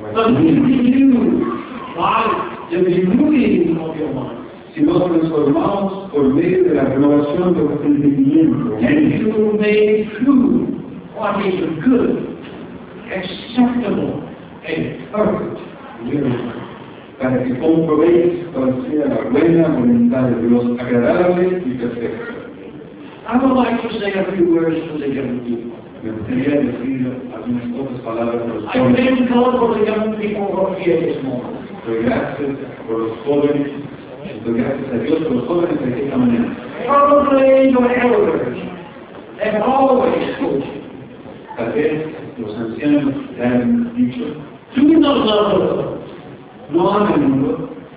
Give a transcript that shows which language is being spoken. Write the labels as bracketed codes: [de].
[en] But be renewed by the renewing of your mind. [es] sino transformados por medio de la renovación de nuestro entendimiento. [en] And you will make true what is good, acceptable, and perfect. [es] Para que comprobéis cuál sea la buena voluntad de Dios, agradable y perfecta. [en] I would like to say a few words to the young people. [es] Me gustaría decir algunas pocas palabras a los jóvenes. [en] I thank God for the young people who are here this morning. [es] Doy gracias por los jóvenes. Doy gracias a Dios por los jóvenes de esta mañana. [en] Probably your elders have always told you. [es] Tal vez los ancianos te han dicho. [en] Do not love the world. [es] No hay el mundo.